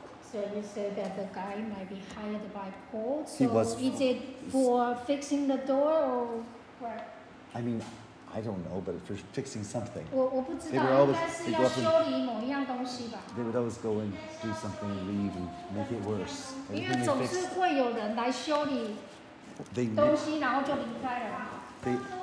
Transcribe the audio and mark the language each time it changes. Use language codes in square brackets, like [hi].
[en] So you say that the guy might be hired by Paul, is it for fixing the door or what? I mean, I don't know, but for fixing something. [zh] 我不知道，应该是要修理某一样东西吧。 [en] They would always go and do something and leave and make it worse. [zh] 因为总是会有人来修理东西，然后就离开了。